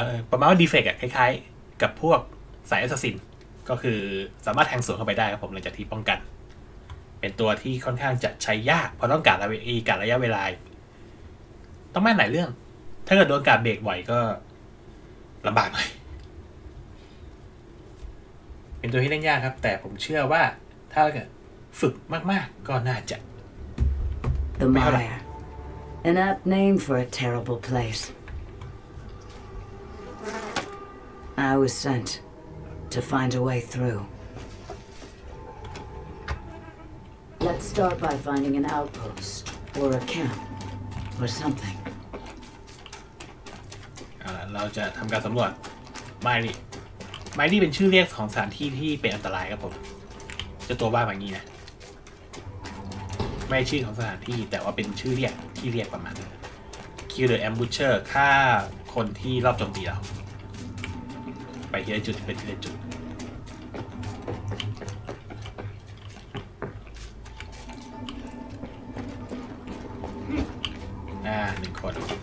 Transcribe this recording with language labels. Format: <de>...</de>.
<th>ประมาณว่าดีเฟกต์อะคล้ายกับพวกสายแอสซาซินก็คือสามารถแทงสวนเข้าไปได้ครับผมหลังจากที่ป้องกันเป็นตัวที่ค่อนข้างจะใช้ยากเพราะต้องการระยะเวลาต้องแม่นหลายเรื่องถ้าเกิดโดนการเบรกบ่อยก็ลำบากหน่อย เป็นตัวที่เล่นยากครับแต่ผมเชื่อว่าถ้าฝึกมากๆก็น่าจะ</th> <en>The Mire An apt name for a terrible place I was sent to find a way through Let's start by finding an outpost or a camp or something</en> <th>เราจะทำการสำรวจไม่ดิไมลี่เป็นชื่อเรียกของสถานที่ที่เป็นอันตรายครับผมจะตัวบ้าแบบนี้นะไม่ชื่อของสถานที่แต่ว่าเป็นชื่อเรียกที่เรียกประมาณนั้น</th> <en>Kill the Ambusher</en> <th>ฆ่าคนที่รอบโจมตีเราไปที่จุดเป็นที่จุดหนึ่งคน</th>